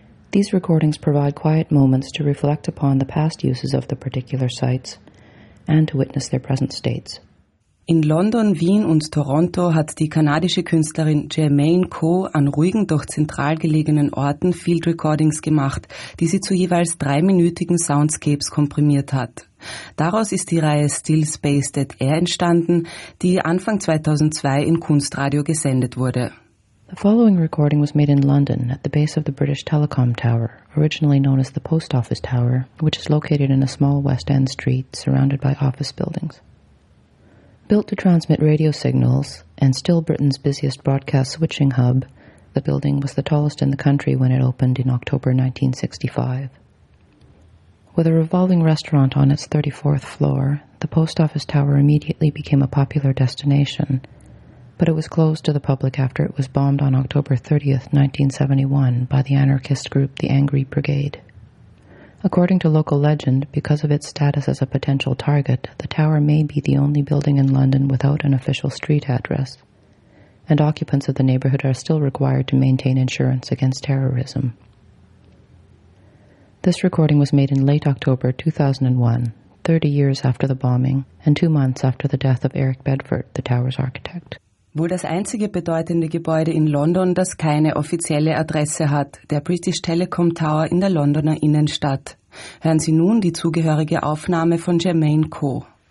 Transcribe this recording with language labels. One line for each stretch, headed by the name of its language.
English: These recordings provide quiet moments to reflect upon the past uses of the particular sites and to witness their present states.
German: In London, Wien und Toronto hat die kanadische Künstlerin Jermaine Coe an ruhigen, doch zentral gelegenen Orten Field Recordings gemacht, die sie zu jeweils dreiminütigen Soundscapes komprimiert hat. Daraus ist die Reihe Still Space Dead Air entstanden, die Anfang 2002 in Kunstradio gesendet wurde.
English: The following recording was made in London at the base of the British Telecom Tower, originally known as the Post Office Tower, which is located in a small West End street surrounded by office buildings. Built to transmit radio signals and still Britain's busiest broadcast switching hub, the building was the tallest in the country when it opened in October 1965. With a revolving restaurant on its 34th floor, the post office tower immediately became a popular destination, but it was closed to the public after it was bombed on October 30th, 1971 by the anarchist group the Angry Brigade. According to local legend, because of its status as a potential target, the tower may be the only building in London without an official street address, and occupants of the neighborhood are still required to maintain insurance against terrorism. This recording was made in late October 2001, 30 years after the bombing and 2 months after the death of Eric Bedford, the tower's architect.
German: Wohl das einzige bedeutende Gebäude in London, das keine offizielle Adresse hat, der British Telecom Tower in der Londoner Innenstadt. Hören Sie nun die zugehörige Aufnahme von Jermaine Coe.